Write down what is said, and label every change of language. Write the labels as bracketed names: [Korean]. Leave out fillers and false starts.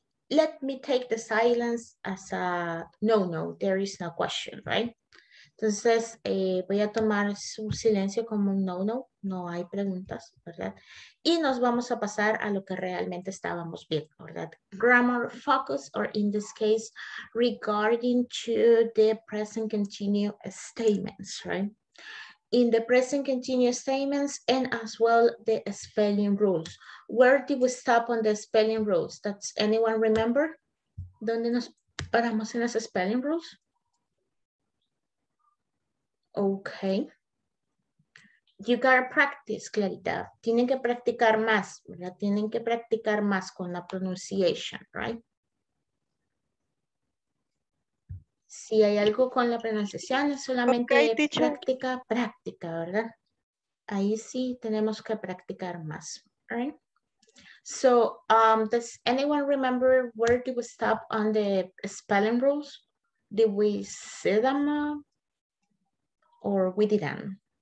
[English] Let me take the silence as a no, no, there is no question, right? [Spanish] Entonces, voy a tomar su silencio como un no, no, no hay preguntas, ¿verdad? Y nos vamos a pasar a lo que realmente estábamos viendo, ¿verdad? [English] Grammar focus, or in this case, regarding to the present continuous statements, right? In the present continuous statements and as well the spelling rules. Where did we stop on the spelling rules? Does anyone remember? [Spanish] ¿Dónde nos paramos en las spelling rules? [English] Okay, you gotta practice, Clarita. [Spanish] Tienen que practicar más, ¿verdad? Tienen que practicar más con la pronunciation, right? Si hay algo con la pronunciación, es solamente práctica, práctica, ¿verdad? Ahí sí tenemos que practicar más, right? [English] So, does anyone remember where did we stop on the spelling rules? Did we say them? Or we didn't.